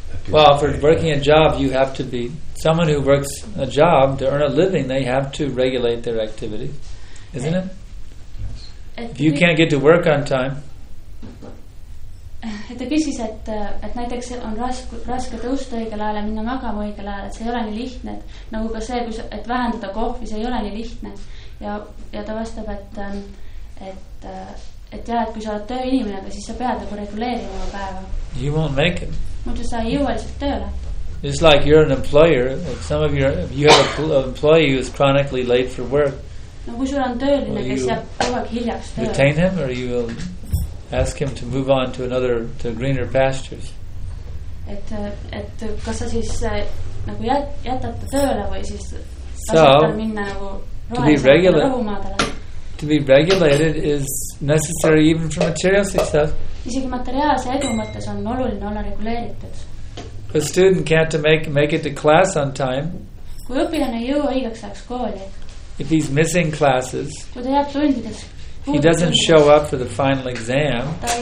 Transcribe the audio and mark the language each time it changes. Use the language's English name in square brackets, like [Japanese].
[English] Well, for working a job, you have to be someone who works a job to earn a living. They have to regulate their activity, isn't it? Yes. If you can't get to work on time. [Estonian] Et ta küsis, et näiteks on raske tõusta õigel ajal ja minna magama õigel ajal, et see ei ole nii lihtne, nagu ka see, et vähendada kohvi, see ei ole nii lihtne. Ja ta vastab, et kui sa oled töö inimene, siis sa pead nagu reguleerima oma päeva. [English] You won't make it. [Estonian] Muidu sa ei jõua lihtsalt tööle. [English] It's like you're an employer, if some of your, if you have an employee who is chronically late for work. [Estonian] No kui sul on tööline, kes jääb kogu hiljaks tööle. [English] Retain him or you will ask him to move on to another, to greener pastures. [Estonian] Et kas sa siis nagu jätad tööle või siis asetad minna nagu rohumaadele? [English] To be regulated is necessary even for material success. [Estonian] Isegi materiaalse edu mõttes on oluline olla reguleeritud. [English] A student can't make it to class on time. [Estonian] Kui õpilane ei jõua õigeks ajaks kooli. [English] If he's missing classes. [Estonian] Kui ta jääb tundides. [English] He doesn't show up for the final exam.